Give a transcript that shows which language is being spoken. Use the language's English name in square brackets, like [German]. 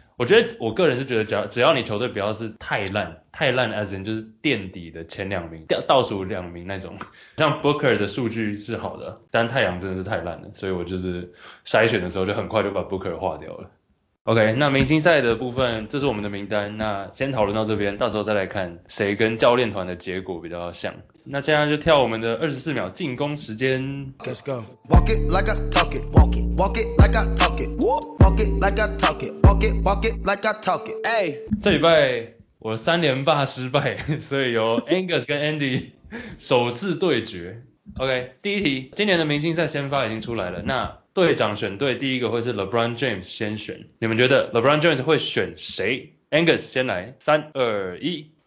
[Chinese] 我觉得我个人是觉得只要你球队不要是太烂，太烂 as in 就是垫底的前两名，倒数2名那种，像 Booker 的数据是好的，但太阳真的是太烂了，所以我就是筛选的时候就很快就把 Booker 划掉了。 OK， 那明星赛的部分，这是我们的名单，那先讨论到这边，到时候再来看谁跟教练团的结果比较像。那接下来就跳我们的24秒进攻时间。 [English] Let's go. Walk it like I talk it, walk it, walk it like I talk it, walk it like I talk it, walk it, walk it like I talk it, ay. [Chinese] 这礼拜我三连霸失败，所以由 Angus 跟 Andy 首次对决。 OK， 第一题，今年的明星赛先发已经出来了，那队长选队第一个会是 LeBron James 先选，你们觉得 LeBron James 会选谁？ Angus 先来，三二一。